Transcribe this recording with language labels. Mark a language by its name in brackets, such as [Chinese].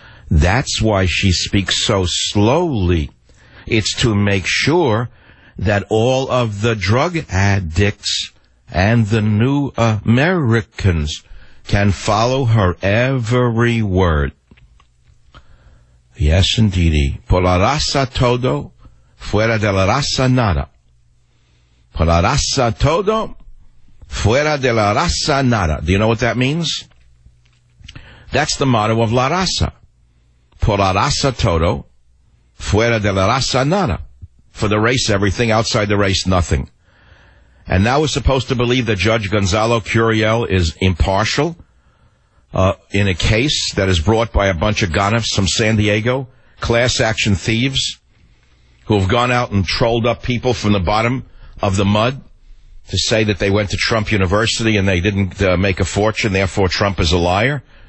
[English] That's why she speaks so slowly. It's to make sure that all of the drug addicts and the new Americans can follow her every word. Yes, indeedy. [Spanish] Por la raza todo, fuera de la raza nada. Por la raza todo, fuera de la raza nada. [English] Do you know what that means? That's the motto of La Raza. Por la raza todo, fuera de la raza nada. For the race, everything. Outside the race, nothing. And now we're supposed to believe that Judge Gonzalo Curiel is impartial in a case that is brought by a bunch of gonoffs from San Diego, class action thieves, who have gone out and trolled up people from the bottom of the mud to say that they went to Trump University and they didn't make a fortune, therefore Trump is a liar.